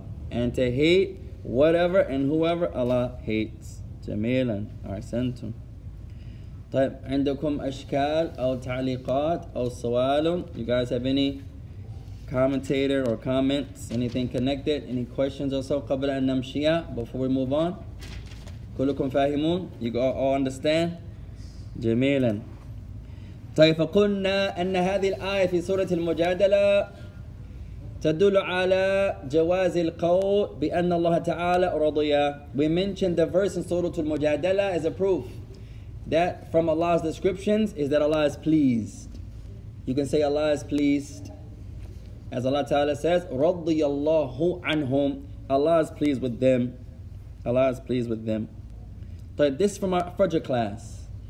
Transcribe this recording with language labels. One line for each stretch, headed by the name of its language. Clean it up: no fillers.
English: And to hate whatever and whoever Allah hates.
Arabic: Jamilan, arsantum. طيب عندكم أشكال أو تعليقات أو سؤال?
English: You guys have any commentator or comments? Anything connected? Any questions or so?
Arabic: قبل أن نمشي,
English: before we move on.
Arabic: كلكم فاهمون?
English: You all understand? Jamilan.
Arabic: طيب فقلنا أن هذه الآية في سورة المجادلة تدل على جواز القول بأن الله تعالى رضي.
English: We mentioned the verse in Surah Al-Mujadala as a proof that from Allah's descriptions is that Allah is pleased. You can say Allah is pleased. As Allah Ta'ala says,
Arabic: رضي الله عنهم.
English: Allah is pleased with them. Allah is pleased with them. طيب, this is from our Fajr class.